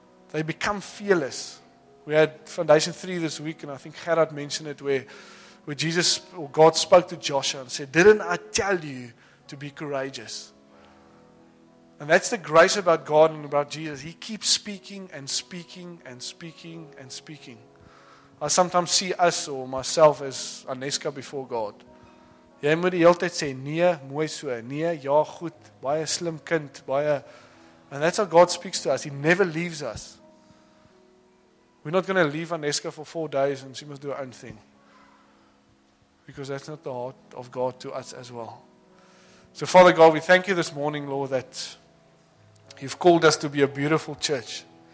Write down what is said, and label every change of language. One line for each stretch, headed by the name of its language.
English: They become fearless. We had Foundation 3 this week, and I think Gerard mentioned it, where Jesus or God spoke to Joshua and said, didn't I tell you to be courageous? And that's the grace about God and about Jesus. He keeps speaking and speaking and speaking and speaking. I sometimes see us or myself as Aneska before God.
Afrikaans: Jy moet die hele tyd sê, nee, mooi so, nee, ja, goed, baie slim kind, baie.
English: And that's how God speaks to us. He never leaves us. We're not going to leave Aneska for 4 days and she must do her own thing. Because that's not the heart of God to us as well. So Father God, we thank you this morning, Lord, that you've called us to be a beautiful church.